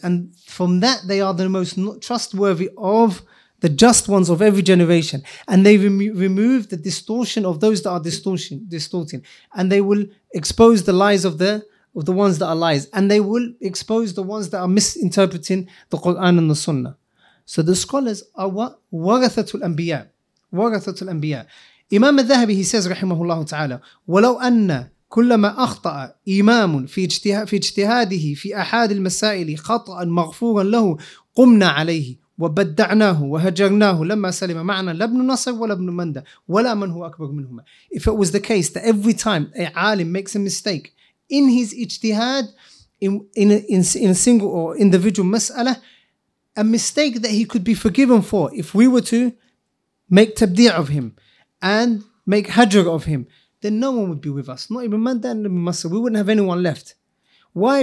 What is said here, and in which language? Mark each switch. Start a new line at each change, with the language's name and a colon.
English: And from that, they are the most trustworthy of the just ones of every generation. And they remove the distortion of those that are distorting. And they will expose the lies of the of the ones that are liars, and they will expose the ones that are misinterpreting the Quran and the Sunnah. So the scholars are what? Warathatul Anbiya. Warathatul Anbiya.
Arabic: Imam al-Dhahabi,
English: he says,
Arabic: رحمه الله تعالى, كلما أخطأ إمام في اجتهاده في أحد المسائل خطأ مغفورا له قمنا عليه وبدعناه وهجرناه لما سلم معنا لابن نصر ولا ابن مندى ولا من هو أكبر منهما.
English: If it was the case that every time a alim makes a mistake in his اجتهاد in a single or individual مسألة, a mistake that he could be forgiven for, if we were to make تبديع of him and make هجر of him, then no one would be with us. Not even Manda and Ibn Masa. We wouldn't have anyone left. Why?